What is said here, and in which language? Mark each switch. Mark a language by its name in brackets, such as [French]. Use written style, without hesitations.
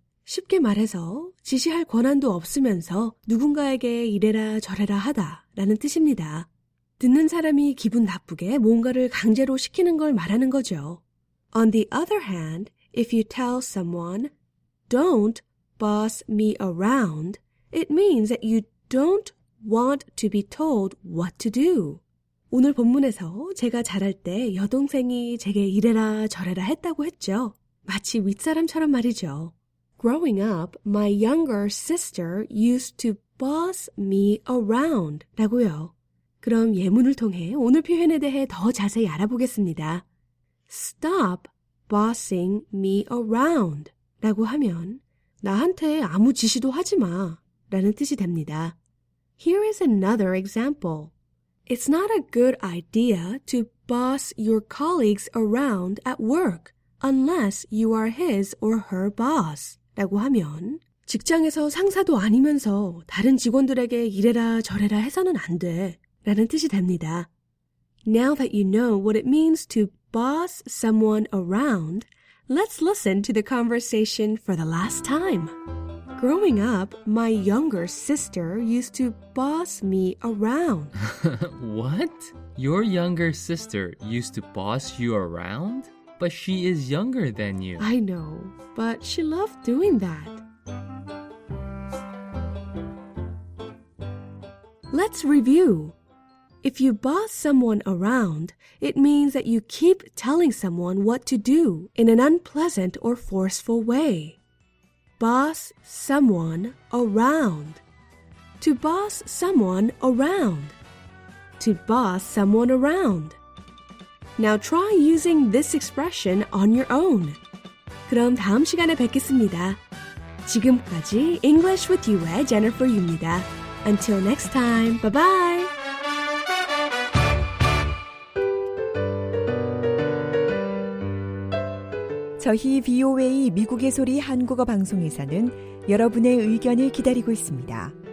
[Korean] 쉽게 말해서 지시할 권한도 없으면서 누군가에게 이래라 저래라 하다 라는 뜻입니다. 듣는 사람이 기분 나쁘게 뭔가를 강제로 시키는 걸 말하는 거죠. [English] On the other hand, if you tell someone, "Don't boss me around," it means that you don't want to be told what to do. [Korean] 오늘 본문에서 제가 자랄 때 여동생이 제게 이래라 저래라 했다고 했죠. 마치 윗사람처럼 말이죠. [English] Growing up, my younger sister used to boss me around [Korean] 라고요. 그럼 예문을 통해 오늘 표현에 대해 더 자세히 알아보겠습니다. [English] Stop bossing me around [Korean] 라고 하면 나한테 아무 지시도 하지 마 라는 뜻이 됩니다. [English] Here is another example. It's not a good idea to boss your colleagues around at work unless you are his or her boss. [Korean] 라고 하면 직장에서 상사도 아니면서 다른 직원들에게 이래라 저래라 해서는 안 돼 라는 뜻이 됩니다. [English] Now that you know what it means to boss someone around, let's listen to the conversation for the last time. Growing up, my younger sister used to boss me around. What? Your younger sister used to boss you around? But she is younger than you. I know, but she loved doing that. Let's review. If you boss someone around, it means that you keep telling someone what to do in an unpleasant or forceful way. Boss someone around. To boss someone around. To boss someone around. Now try using this expression on your own. [Korean] 그럼 다음 시간에 뵙겠습니다. 지금까지 English with you의 Jennifer입니다. [English] Until next time, bye-bye! [Korean] VOA 미국의 소리 한국어 방송에서는 여러분의 의견을 기다리고 있습니다.